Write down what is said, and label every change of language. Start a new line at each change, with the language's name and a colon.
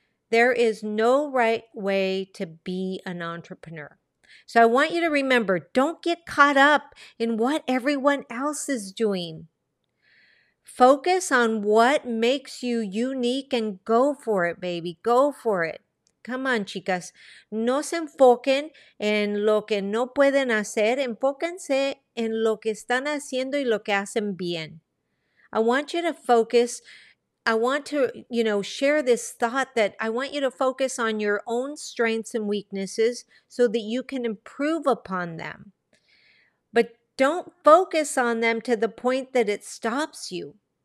English: There is no right way to be an entrepreneur. So I want you to remember, don't get caught up in what everyone else is doing. Focus on what makes you unique and go for it, baby. Go for it. Come on, chicas.
Spanish: No se enfoquen en lo que no pueden hacer. Enfóquense en lo que están haciendo y lo que hacen bien.
English: I want you to focus. I want to, you know, share this thought that I want you to focus on your own strengths and weaknesses so that you can improve upon them. But don't focus on them to the point that it stops you.